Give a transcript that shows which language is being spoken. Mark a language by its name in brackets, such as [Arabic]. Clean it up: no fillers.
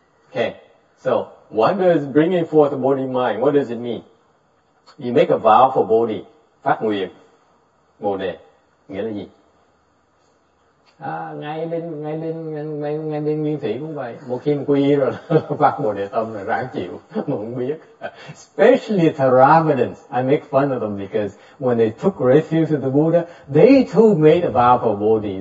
[English] Okay, so what does bringing forth the Bodhi mind, what does it mean? You make a vow for Bodhi, [Vietnamese] phát nguyện Bồ Đề, nghĩa là gì? À, ngay bên nguyên thủy cũng vậy, một khi quy rồi phát Bồ Đề Tâm rồi ráng chịu, không biết. [English] Especially Theravadins, I make fun of them because when they took refuge to the Buddha, they too made a vow for Bodhi.